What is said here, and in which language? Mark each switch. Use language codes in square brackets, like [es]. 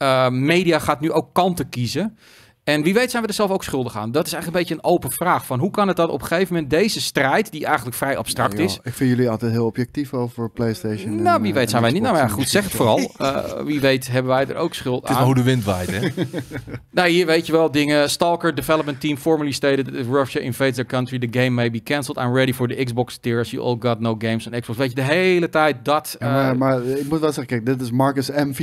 [nl] media gaat nu ook kanten kiezen. En wie weet zijn we er zelf ook schuldig aan. Dat is eigenlijk een beetje een open vraag. Van hoe kan het dat op een gegeven moment deze strijd... die eigenlijk vrij abstract is... Ik vind jullie altijd heel objectief over PlayStation. Nou, wie weet zijn wij niet. Nou ja, goed, zeg het vooral. Wie weet hebben wij er ook schuld aan. Het is maar hoe de wind waait, hè? Nou, hier weet je wel dingen. [en] Stalker Development Team formerly stated... that Russia invades their country. The game may be cancelled. I'm ready for the Xbox tier. You all got no games on Xbox. [nl] Weet je, de hele tijd dat... Maar ik moet wel zeggen, kijk, dit is Marcus M442...